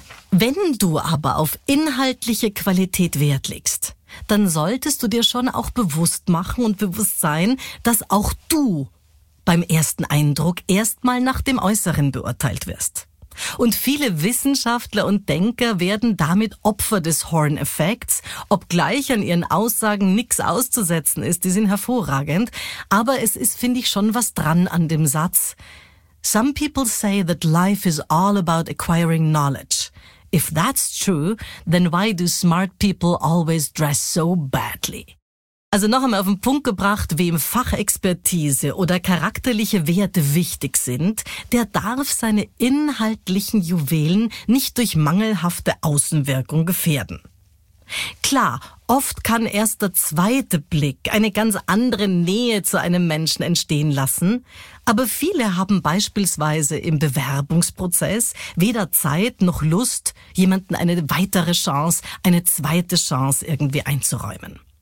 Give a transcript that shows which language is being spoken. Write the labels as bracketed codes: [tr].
[de] Wenn du aber auf inhaltliche Qualität Wert legst, dann solltest du dir schon auch bewusst machen und bewusst sein, dass auch du beim ersten Eindruck erstmal nach dem Äußeren beurteilt wirst. Und viele Wissenschaftler und Denker werden damit Opfer des Horn-Effekts, obgleich an ihren Aussagen nichts auszusetzen ist, die sind hervorragend. Aber es ist, finde ich, schon was dran an dem Satz: [en] Some people say that life is all about acquiring knowledge. If that's true, then why do smart people always dress so badly? [de] Also noch einmal auf den Punkt gebracht, wem Fachexpertise oder charakterliche Werte wichtig sind, der darf seine inhaltlichen Juwelen nicht durch mangelhafte Außenwirkung gefährden. Klar, oft kann erst der zweite Blick eine ganz andere Nähe zu einem Menschen entstehen lassen, aber viele haben beispielsweise im Bewerbungsprozess weder Zeit noch Lust, jemanden eine weitere Chance, eine zweite Chance irgendwie einzuräumen.